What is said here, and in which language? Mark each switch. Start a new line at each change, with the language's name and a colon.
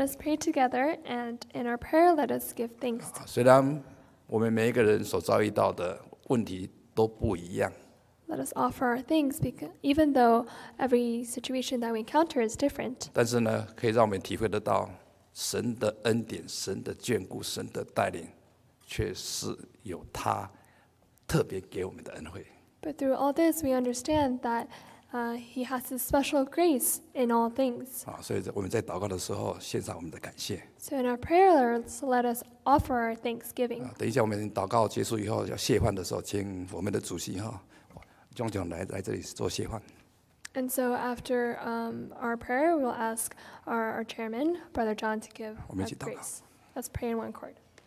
English: us pray together, and in our prayer, let us give thanks.
Chinese: 虽然我们每一个人所遭遇到的问题都不一样。
English: Let us offer our thanks, even though every situation that we encounter is different.
Chinese: 但是呢，可以让我们体会得到神的恩典、神的眷顾、神的带领，却是有他特别给我们的恩惠。
English: But through all this, we understand that. He has a special grace in all things.
Chinese: 所以我们在祷告的时候献上我们的感谢。
English: So in our prayer, let us offer our thanksgiving.
Chinese: 等一下我们祷告结束以后要谢饭的时候，请我们的主席哈，John John来这里做谢饭。
English: And so after our prayer, we'll ask our chairman, Brother John, to give us grace. Let's pray in one accord.